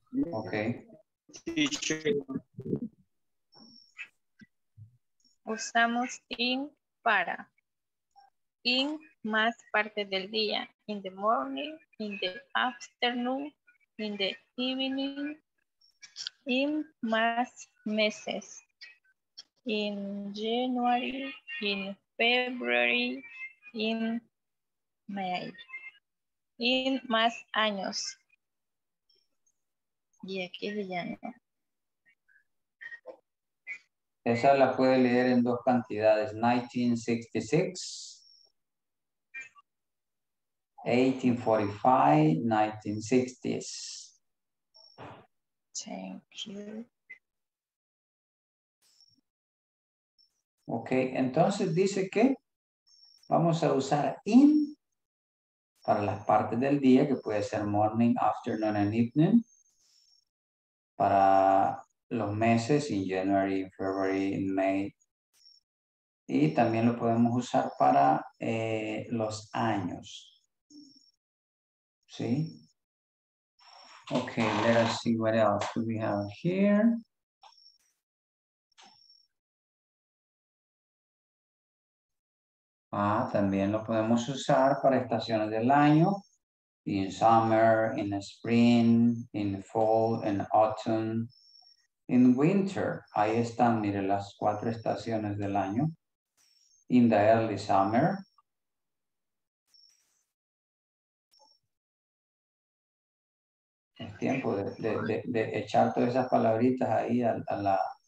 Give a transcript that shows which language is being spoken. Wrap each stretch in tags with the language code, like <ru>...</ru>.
<en>Okay. Teacher.</en> <es>Usamos in para. In más parte del día.</es> <en>In the morning, in the afternoon, in the evening. In</en> <es>más meses,</es> <en>in January, in February, in May, in</en> <es>más años. Y aquí se llama. Esa la puede leer en dos cantidades, 1966, 1845, 1960s.</es> <en>Thank you.</en> <es>Ok, entonces dice que vamos a usar in para las partes del día, que puede ser</es> <en>morning, afternoon, and evening.</en> <es>Para los meses,</es> <en>in January, February, in May.</en> <es>Y también lo podemos usar para los años. ¿Sí?</es> <en>Okay, let us see what else do we have here.</en> <es>Ah, también lo podemos usar para estaciones del año.</es> <en>In summer, in the spring, in the fall, in the autumn, in winter.</en> <es>Ahí están, mire, las cuatro estaciones del año.</es> <en>In the early summer.</en> <es>Es tiempo de echar todas esas palabritas ahí a la...</es>